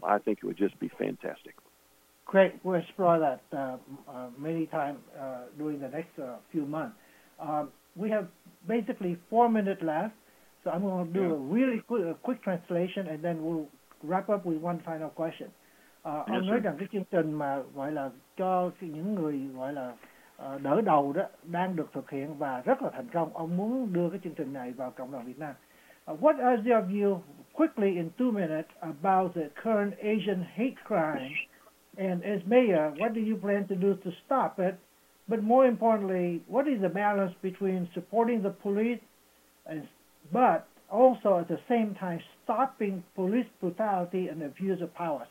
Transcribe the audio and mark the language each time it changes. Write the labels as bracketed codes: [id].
[en] I think it would just be fantastic. Great. We'll explore that many times during the next few months. We have basically 4 minutes left, so I'm going to do a really quick translation, and then we'll wrap up with one final question. [vi] Ông nói rằng cái chương trình mà gọi là cho những người gọi là đỡ đầu đó đang được thực hiện và rất là thành công. Ông muốn đưa cái chương trình này vào cộng đồng Việt Nam. [en] What is your view, quickly in 2 minutes, about the current Asian hate crime? And as mayor, what do you plan to do to stop it? But more importantly, what is the balance between supporting the police, and, but also at the same time stopping police brutality and abuse of power?